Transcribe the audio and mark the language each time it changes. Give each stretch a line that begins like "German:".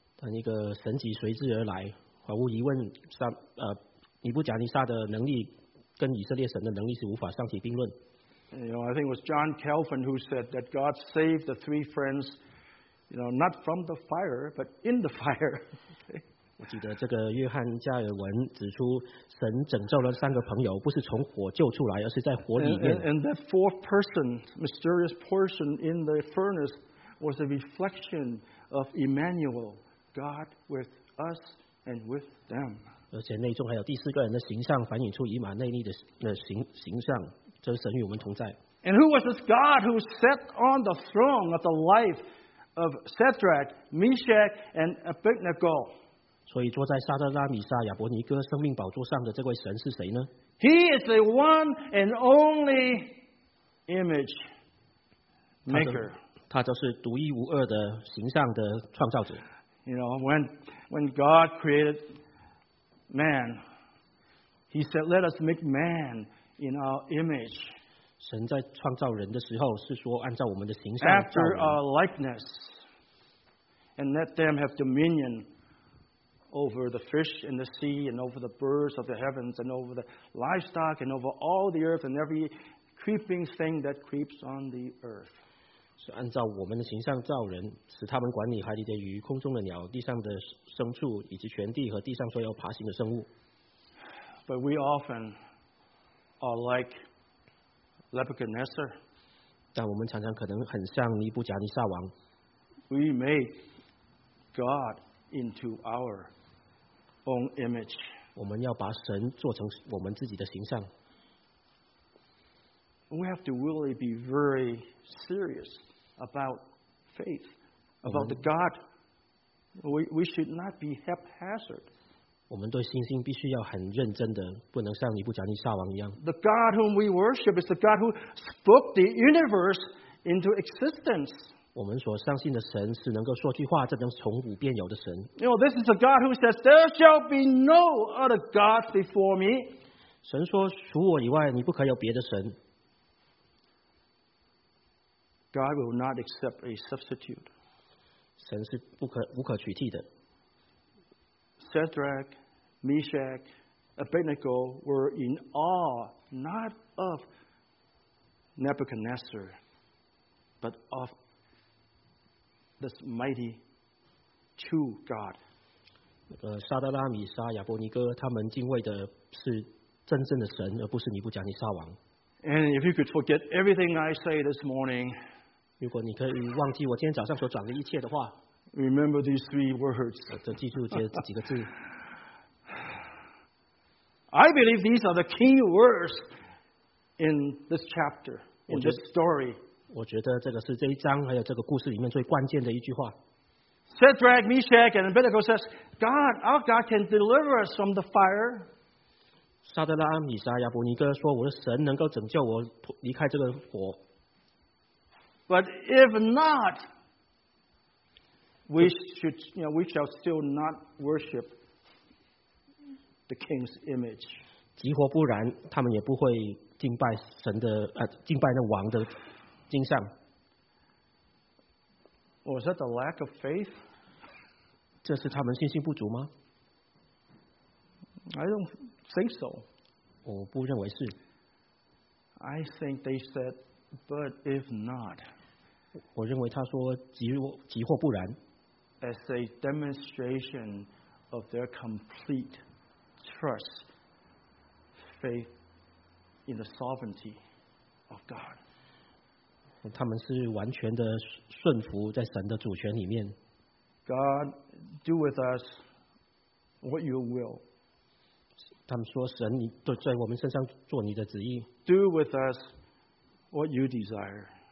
Chinese: 但一个神迹随之而来，毫无疑问，尼布甲尼撒的能力跟以色列神的能力是无法相提并论。
English: You know, I think it was John Calvin who said that God saved the three friends, you know, not from the fire, but in the fire.
Chinese: 我记得这个约翰加尔文指出，神拯救了三个朋友，不是从火救出来，而是在火里面。
English: And that fourth person, mysterious person in the furnace, was a reflection of Emmanuel, God with us and with them.
Chinese: 而且内中还有第四个人的形象，反映出以马内利的形象，就是神与我们同在。
English: And who was this God who sat on the throne of the life of Shadrach, Meshach, and Abednego.
Chinese: 所以坐在撒德拉米撒亚伯尼哥生命宝座上的这位神是谁呢？
English: He is the one and only image maker.
Chinese: 他就是独一无二的形象的创造者。
English: You know, when God created man, He said, "Let us make man in our image."
Chinese: 神在创造人的时候是说，按照我们的形象
English: After our likeness, and let them have dominion over the fish and the sea, and over the birds of the heavens, and over the livestock, and over all the earth, and every creeping thing that creeps on the earth.
Chinese: 是按照我们的形象造人，使他们管理海里的鱼、空中的鸟、地上的牲畜，以及全地和地上所有爬行的生物。
English: But we often are like Nebuchadnezzar.
Chinese: 但我们常常可能很像尼布甲尼撒王。
English: We make God into our own image.
Chinese: 我们要把神做成我们自己的形象。
English: We have to really be very serious about faith, about the God. We should not be haphazard.
Chinese: 我们对信心必须要很认真的，不能像尼布甲尼撒王一样。
English: The God whom we worship is the God who spoke the universe into existence.
Chinese: 我们所相信的神是能够说句话，这能从无变有的神。
English: You know, this is a God who says, "There shall be no other gods before me."
Chinese: 神说，除我以外，你不可有别的神。
English: God will not accept a substitute.
Chinese: 神是无可取替的。
English: Shadrach, Meshach, Abednego were in awe not of Nebuchadnezzar, but of this mighty true God.
Chinese: 撒德拉米撒亚伯尼哥他们敬畏的是真正的神，而不是尼布甲尼撒王。
English: And if you could forget everything I say this morning.
Chinese: 如果你可以忘记我今天早上所讲的一切的话。
English: Remember these three words.
Chinese: 记住这几个字。
English: I believe these are the key words in this chapter, in this story.
Chinese: 我觉得这个是这一章还有这个故事里面最关键的一句话。
English: Shadrach, Meshach, and Abednego says, "God, our God can deliver us from the fire."
Chinese: 撒德拉、米撒、亚伯尼哥说，我的神能够拯救我离开这个火。
English: But if not, we shall still not worship the king's image.
Chinese: 即或不然，他们也不会敬拜神的敬拜那王的金像。
English: Was that the lack of faith?
Chinese: 这是他们信心不足吗？
English: I don't think so.
Chinese: 我不认为是。
English: I think they said, "But if not,"
Chinese: 我认为他说即或不然。
English: As a demonstration of their complete trust, faith in the sovereignty of God.
Chinese: 他们是完全的顺服在神的主权里面。
English: God, do with us what you will.
Chinese: 他们说神，你在我们身上做你的旨意。
English: Do with us what you desire.